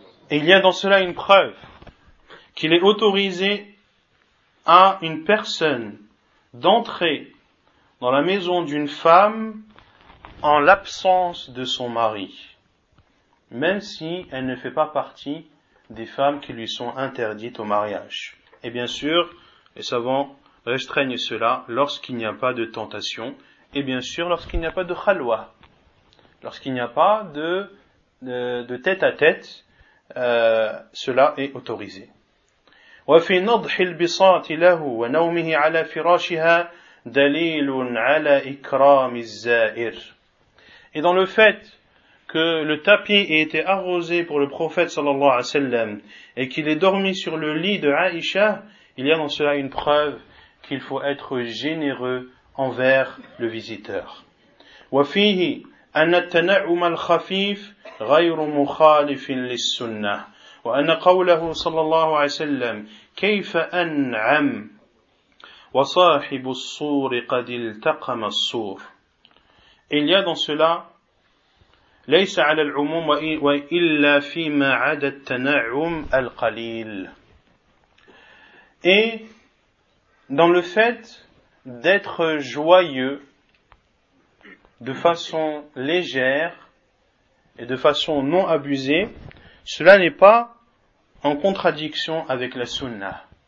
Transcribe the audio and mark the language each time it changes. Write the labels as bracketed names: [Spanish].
[French] Il y a dans cela une preuve qu'il est autorisé à une personne d'entrer dans la maison d'une femme en l'absence de son mari, même si elle ne fait pas partie des femmes qui lui sont interdites au mariage. Et bien sûr, les savants restreignent cela lorsqu'il n'y a pas de tentation, et bien sûr lorsqu'il n'y a pas de khalwa, lorsqu'il n'y a pas de tête à tête, cela est autorisé. [Arabic] وفي نضح البساط له ونومه على فراشها دليل على إكرام الزائر. [French] Et dans le fait que le tapis ait été arrosé pour le prophète sallallahu alayhi wa sallam et qu'il ait dormi sur le lit de Aïcha, il y a dans cela une preuve qu'il faut être généreux envers le visiteur. [Arabic] وفيه أن التنعم الخفيف غير مخالف للسنة وأن قوله صلى الله عليه وسلم كيف أنعم وصاحب الصور قد التقم الصور. [French] Il y a dans cela [Arabic] ليس على العموم وإلا فيما عدا التنعم القليل. [French] Et dans le fait d'être joyeux de façon légère et de façon non abusée, cela n'est pas en contradiction avec la sunnah.